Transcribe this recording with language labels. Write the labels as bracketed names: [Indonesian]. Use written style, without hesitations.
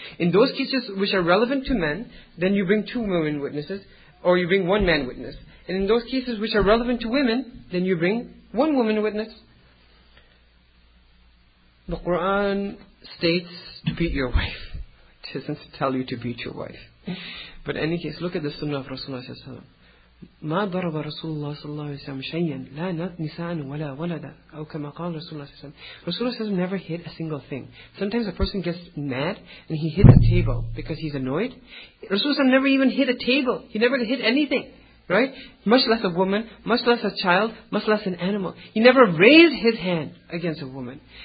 [English] In those cases which are relevant to men, then you bring two women witnesses, or you bring one man witness. And in those cases which are relevant to women, then you bring one woman witness. The Quran states to beat your wife. It doesn't tell you to beat your wife. But in any case, look at the Sunnah of Rasulullah. [Arabic] ما ضرب رسول الله صلى الله عليه وسلم شيئا لا نساء ولا ولدا أو كما قال رسول الله صلى الله عليه وسلم. [English] Rasulullah says never hit a single thing. Sometimes a person gets mad and he hits a table because he's annoyed. Rasulullah never even hit a table. He never hit anything, right? Much less a woman, much less a child, much less an animal. He never raised his hand against a woman.